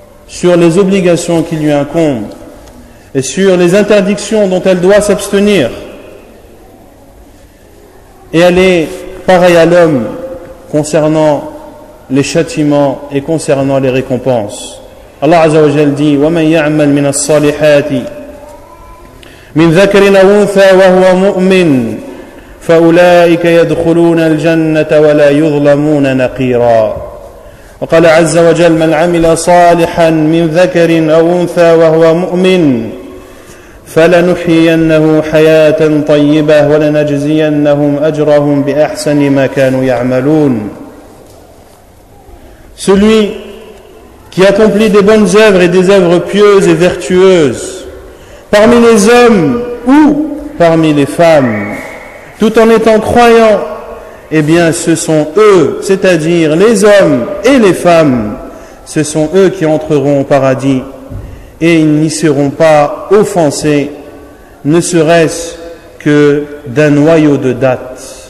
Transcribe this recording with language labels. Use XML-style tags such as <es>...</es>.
<fr>sur les obligations qui lui incombent et sur les interdictions dont elle doit s'abstenir. Et elle est pareille à l'homme concernant les châtiments et concernant les récompenses. Allah Azza wa Jal dit:</fr> <ar>« وَمَنْ يَعْمَلْ مِنَ الصَّالِحَاتِ مِنْ ذَكَرٍ أَوْ أُنْثَى وَهُوَ مُؤْمِنٌ فَأُولَٰئِكَ يَدْخُلُونَ الْجَنَّةَ وَلَا يُظْلَمُونَ نَقِيرًا » وقال عز وجل: من عمل صالحا من ذكر أو أنثى وهو مؤمن فلنحيينه حياة طيبة ولنجزينهم أجرهم بأحسن ما كانوا يعملون.</ar> <fr>Celui qui accomplit des bonnes œuvres et des œuvres pieuses et vertueuses parmi les hommes ou parmi les femmes, tout en étant croyant, eh bien ce sont eux, c'est-à-dire les hommes et les femmes, ce sont eux qui entreront au paradis et ils n'y seront pas offensés, ne serait-ce que d'un noyau de date.</fr>